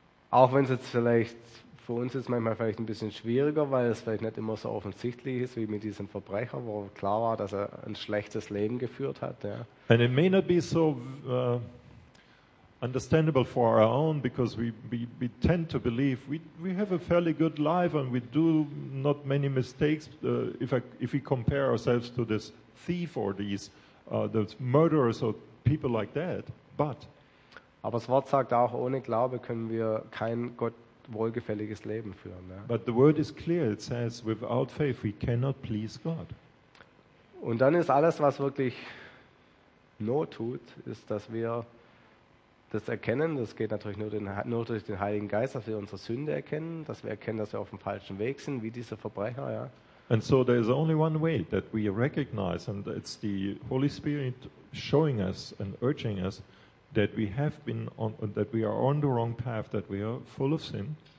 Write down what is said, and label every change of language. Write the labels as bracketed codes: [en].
[de] Auch wenn es jetzt vielleicht Für uns ist es manchmal vielleicht ein bisschen schwieriger, weil es vielleicht nicht immer so offensichtlich ist, wie mit diesem Verbrecher, wo klar war, dass er ein schlechtes Leben geführt hat. Ja. [en] And it may not be so understandable for our own, because we tend to believe we have a fairly good life and we do not many mistakes if we compare ourselves to this thief or those murderers or people like that. But [de] aber das Wort sagt auch, ohne Glaube können wir kein Gott wohlgefälliges Leben führen. Ja. [en] But the word is clear. It says, without faith we cannot please God. [de] Und dann ist alles, was wirklich Not tut, ist, dass wir das erkennen. Das geht natürlich nur durch den Heiligen Geist, dass wir unsere Sünde erkennen, dass wir erkennen, dass wir auf dem falschen Weg sind, wie dieser Verbrecher. Ja. [en] And so there is only one way that we recognize, and it's the Holy Spirit showing us and urging us that we have been on, that we are on the wrong path, that we are full of sin.